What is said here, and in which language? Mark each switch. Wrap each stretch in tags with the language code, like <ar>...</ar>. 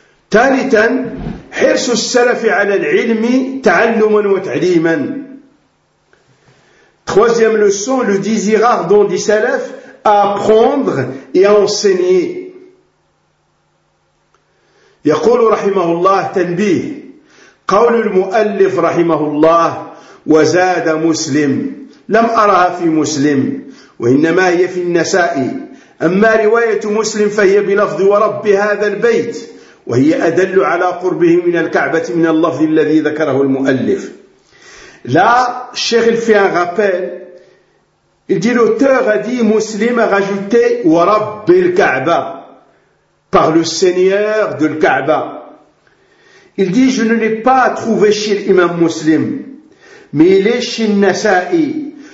<ar>Thalithan, hirs al-salaf 'ala al-'ilm ta'alluman wa ta'liman.</ar> <fr>Troisième leçon, le désir ardent des salafs à apprendre et à enseigner.</fr> <ar>Yaqulu rahimahullah tanbih. قول المؤلف رحمه الله وزاد مسلم لم أرها في مسلم وإنما هي في النساء أما رواية مسلم فهي بلفظ ورب هذا البيت وهي أدل على قربه من الكعبة من اللفظ الذي ذكره المؤلف. لا الشيخ في</ar> <fr>un rappel, il dit l'auteur a dit مسلم a rajouté</fr> <ar>ورب الكعبة</ar> <fr>par le seigneur de الكعبة. Il dit, je ne l'ai pas trouvé chez l'imam Muslim, mais il est chez Nasa'i.</fr>